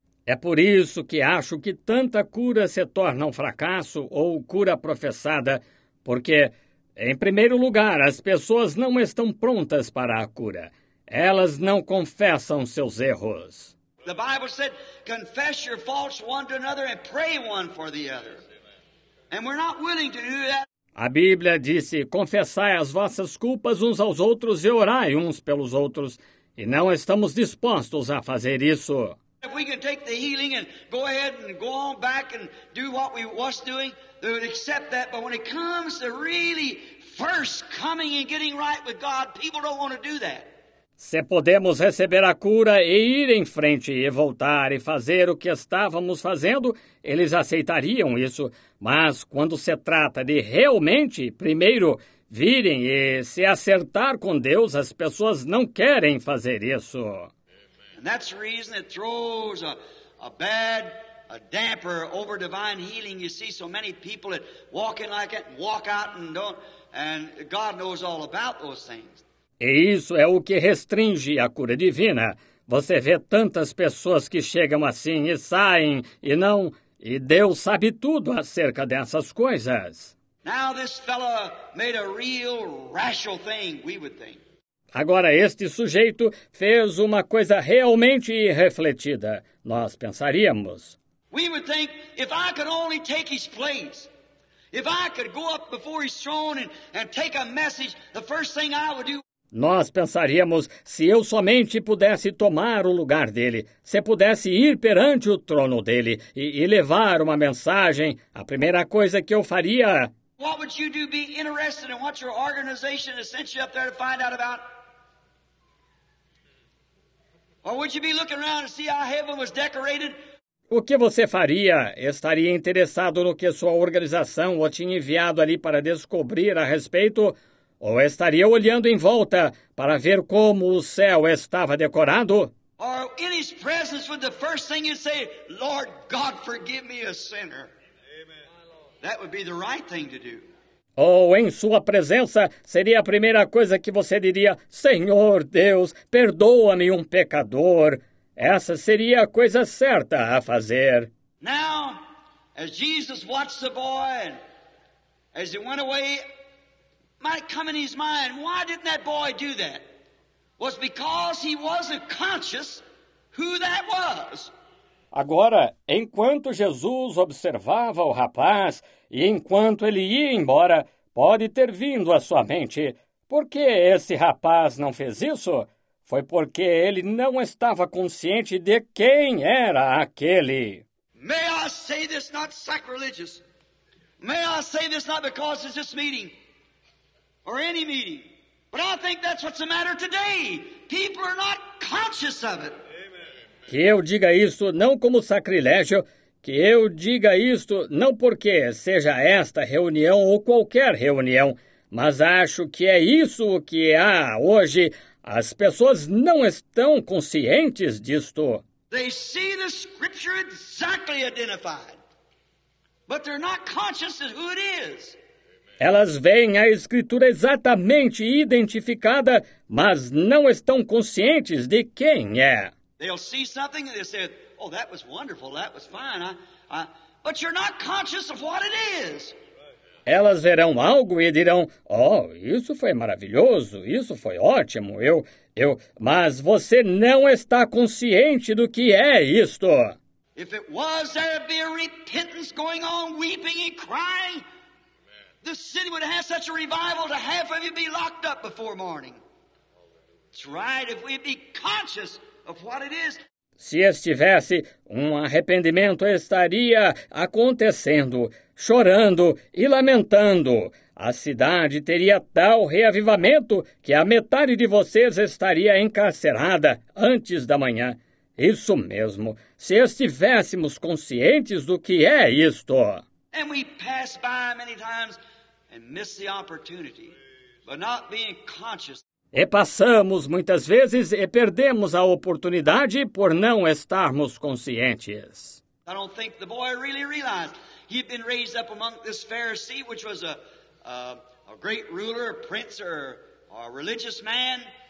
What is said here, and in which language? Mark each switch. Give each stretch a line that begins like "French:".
Portuguese: É por isso que acho que tanta cura se torna um fracasso ou cura professada, porque, em primeiro lugar, as pessoas não estão prontas para a cura. Elas não confessam seus erros.
English: The Bible said, confess your faults one to another and pray one for the other. And we're not willing to do that.
Portuguese: A Bíblia disse, confessai as vossas culpas uns aos outros e orai uns pelos outros. E não estamos dispostos a fazer isso.
English: If we can take the healing and go ahead and go on back and do what we was doing, they would accept that. But when it comes to really first coming and getting right with God, people don't want to do that.
Portuguese: Se podemos receber a cura e ir em frente e voltar e fazer o que estávamos fazendo, eles aceitariam isso. Mas quando se trata de realmente, primeiro, virem e se acertar com Deus, as pessoas não querem fazer isso.
English: And that's the reason it throws a bad damper over divine healing. You see so many people that walk in like it and walk out and don't, and God knows all about those things.
Portuguese: E isso é o que restringe a cura divina. Você vê tantas pessoas que chegam assim e saem, e não, e Deus sabe tudo acerca dessas coisas.
English: Now this fellow made a real rational thing, we would think.
Portuguese: Agora, este sujeito fez uma coisa realmente irrefletida, nós pensaríamos.
English: We would think, if I could only take his place. If I could go up before his throne and take a message, the first thing I would do.
Portuguese: Nós pensaríamos, se eu somente pudesse tomar o lugar dele, se pudesse ir perante o trono dele e levar uma mensagem, a primeira coisa que eu faria...
English: What would you do be interested in what your organization has sent you up there to find out about? Or would you be looking around to see how heaven was decorated?
Portuguese: O que você faria? Estaria interessado no que sua organização o tinha enviado ali para descobrir a respeito... Ou estaria olhando em volta para ver como o céu estava decorado?
English: Or in his presence would the first thing you say, Lord God, forgive me a sinner. Amen. My Lord. That would be the right thing to do.
Portuguese: Ou em sua presença, seria a primeira coisa que você diria: Senhor Deus, perdoa-me um pecador. Essa seria a coisa certa a fazer.
English: Now, as Jesus watched the boy, and as he went away, might come in his mind, why didn't that boy do that? Was because he wasn't conscious who that was.
Portuguese: Agora, enquanto Jesus observava o rapaz, e enquanto ele ia embora, pode ter vindo à sua mente, por que esse rapaz não fez isso? Foi porque ele não estava consciente de quem era aquele.
English: May I say this not sacrilegious? May I say this not because it's this meeting or any meeting? But I think that's what's the matter today. People are not conscious of it.
Portuguese: Que eu diga isso não como sacrilégio, que eu diga isto não porque seja esta reunião ou qualquer reunião, mas acho que é isso que há hoje. As pessoas não estão conscientes disto.
English: They see the scripture exactly identified, but they're not conscious of who it is.
Portuguese: Elas veem a escritura exatamente identificada, mas não estão conscientes de quem é.
English: They'll see something and they say, oh, that was wonderful, that was fine. But you're not conscious of what it is.
Portuguese: Elas verão algo e dirão, oh, isso foi maravilhoso, isso foi ótimo, mas você não está consciente do que é isto.
English: If it was, there'd be a repentance going on, weeping and crying. Amen. The city would have such a revival to half of you be locked up before morning. It's right, if we'd be conscious of what it is.
Portuguese: Se estivesse, um arrependimento estaria acontecendo, chorando e lamentando. A cidade teria tal reavivamento que a metade de vocês estaria encarcerada antes da manhã. Isso mesmo, se estivéssemos conscientes do que é isto.
English: And we pass by many times and miss the opportunity, but not being conscious.
Portuguese: E passamos muitas vezes e perdemos a oportunidade por não estarmos conscientes.
English: I don't think the boy really realized he'd been raised up among this Pharisee, which was a great ruler, a prince, or a religious man.